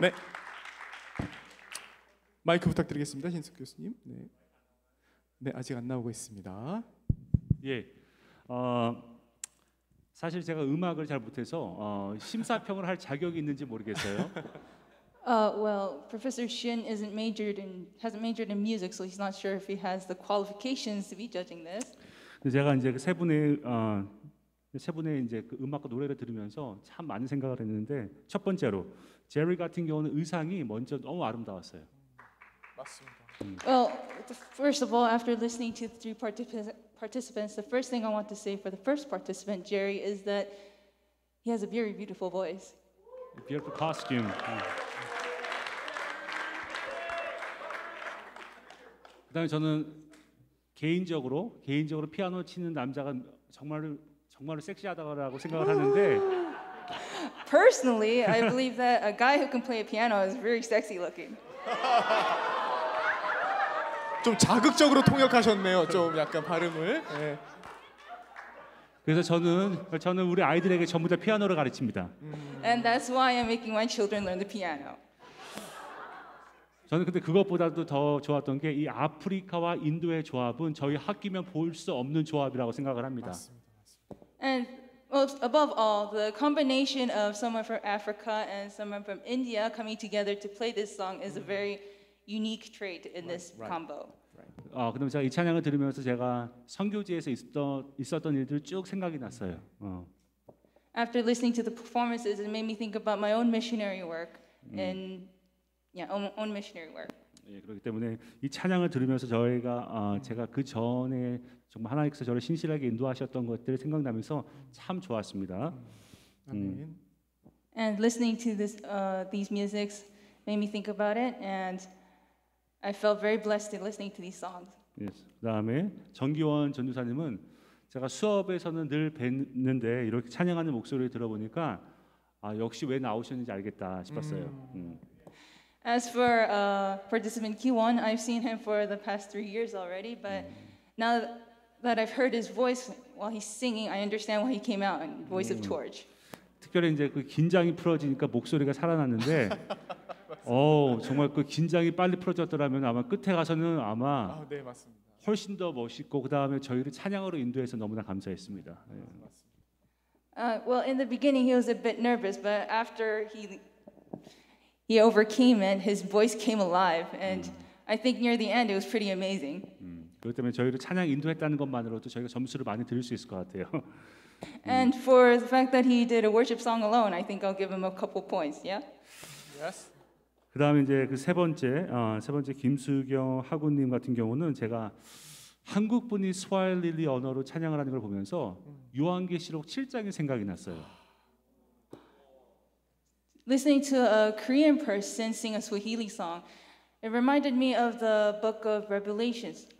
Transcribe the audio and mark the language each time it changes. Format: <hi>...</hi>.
<ko>네, 마이크 부탁드리겠습니다, 신숙구 교수님. 네. 네, 아직 안 나오고 있습니다. 예, 사실 제가 음악을 잘 못해서 심사평을 할 자격이 있는지 모르겠어요.</ko> <en>Well, Professor Shin isn't majored in hasn't majored in music, so he's not sure if he has the qualifications to be judging this.</en> <ko>제가 이제 세 분의 세 분의 이제 그 음악과 노래를 들으면서 참 많은 생각을 했는데 첫 번째로 제리 같은 경우는 의상이 먼저 너무 아름다웠어요. 맞습니다.</ko> <en>Well, first of all, after listening to the three participants, the first thing I want to say for the first participant, Jerry, is that he has a very beautiful voice. A beautiful costume. Yeah.</en> <ko>그다음에 저는 개인적으로 피아노 치는 남자가 정말로 섹시하다고 생각을 하는데.</ko> <en>Personally, I believe that a guy who can play a piano is very sexy looking.</en> <ko>좀 자극적으로 통역하셨네요. 좀 약간 발음을. 네. 그래서 저는 우리 아이들에게 전부 다 피아노를 가르칩니다.</ko> <en>And that's why I'm making my children learn the piano.</en> <ko>저는 근데 그것보다도 더 좋았던 게 이 아프리카와 인도의 조합은 저희 학기면 볼 수 없는 조합이라고 생각을 합니다. 맞습니다.</ko> <en>And above all, the combination of someone from Africa and someone from India coming together to play this song is a very unique trait in this combo.</en> <ko>그다음에 제가 이 찬양을 들으면서 제가 선교지에서 있었던 일들 쭉 생각이 났어요.</ko> <en>After listening to the performances, it made me think about my own missionary work and own missionary work.</en> <ko>예, 그렇기 때문에 이 찬양을 들으면서 저희가 제가 그 전에 정말 하나님께서 저를 신실하게 인도하셨던 것들을 생각나면서 참 좋았습니다.</ko> <en>And listening to this these musics made me think about it and I felt very blessed in listening to these songs. Yes.</en> <ko>다음에 정기원 전도사님은 제가 수업에서는 늘 뵀는데 이렇게 찬양하는 목소리를 들어보니까 역시 왜 나오셨는지 알겠다 싶었어요.</ko> <en>As for participant Kiwon, I've seen him for the past 3 years already, but now that I've heard his voice while he's singing, I understand why he came out in Voice of Torch.</en> <ko>특별히 이제 그 긴장이 풀어지니까 목소리가 살아났는데. 오, 정말 그 긴장이 빨리 풀어졌더라면 아마 끝에 가서는 아마 네, 맞습니다. 훨씬 더 멋있고 그다음에 저희를 찬양으로 인도해서 너무나 감사했습니다. 맞습니다.</ko> <en>In the beginning he was a bit nervous but after he overcame and his voice came alive and I think near the end it was pretty amazing.</en> <ko>그렇기 때문에 저희를 찬양 인도했다는 것만으로도 저희가 점수를 많이 드릴 수 있을 것 같아요.</ko> <en>And for the fact that he did a worship song alone, I think I'll give him a couple points. Yeah. Yes.</en> <ko>그다음 이제 그 세 번째 김수경 하구님 같은 경우는 제가 한국 분이 스와힐리 언어로 찬양을 하는 걸 보면서 요한계시록 7장이 생각이 났어요.</ko> <en>Listening to a Korean person sing a Swahili song, it reminded me of the book of Revelations.</en>